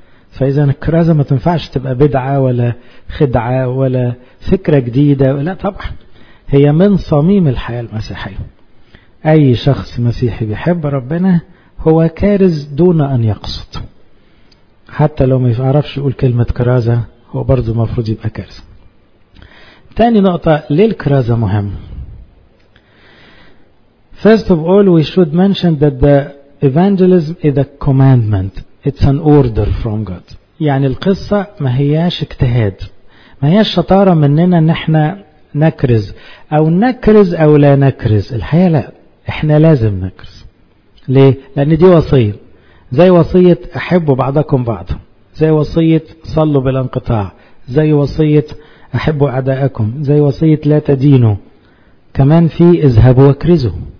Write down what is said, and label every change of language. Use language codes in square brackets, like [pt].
[ar] فإذا الكرازة ما تنفعش تبقى بدعة ولا خدعة ولا فكرة جديدة، لا طبعا، هي من صميم الحياة المسيحية. أي شخص مسيحي بيحب ربنا هو كارز دون أن يقصد. حتى لو ما يعرفش يقول كلمة كرازة هو برضو مفروض يبقى كارثة. تاني نقطة، ليه الكرازة مهم؟ [en] First of all we should mention that the evangelism is a commandment. It's an order from God. [ar] يعني القصة ما هياش اجتهاد، ما هياش شطارة مننا ان احنا نكرز او نكرز او لا نكرز. الحياة لا، احنا لازم نكرز. ليه؟ لان دي وصية، زي وصية احبوا بعضكم بعض، زي وصية صلوا بالانقطاع، زي وصية احبوا اعدائكم، زي وصية لا تدينوا، كمان في اذهبوا واكرزوا.